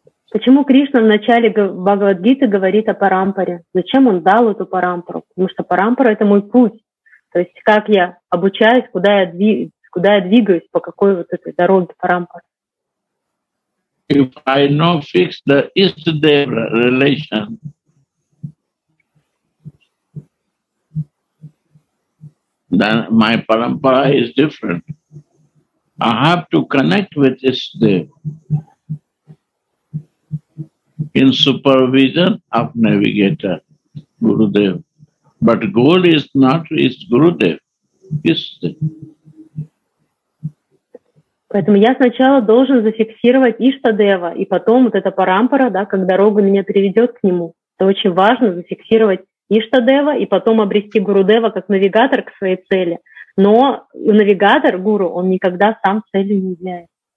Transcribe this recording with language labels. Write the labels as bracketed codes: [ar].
[ru] Почему Кришна в начале Бхагавад-гиты говорит о парампаре? Зачем он дал эту парампару? Потому что парампара — это мой путь. То есть как я обучаюсь, куда я двигаюсь, по какой вот этой дороге парампара. [en] If I not fix the Ishtadev relation, then my parampara is different. I have to connect with Ishtadev. In supervision of navigator, Gurudev. But goal is not is Gurudev, is the. [ru] Поэтому я сначала должен зафиксировать Иштадева, и потом вот эта парампара, да, как дорога меня приведет к нему. Это очень важно зафиксировать Иштадева и потом обрести Гурудева как навигатор к своей цели. Но навигатор, гуру, он никогда сам целью не является.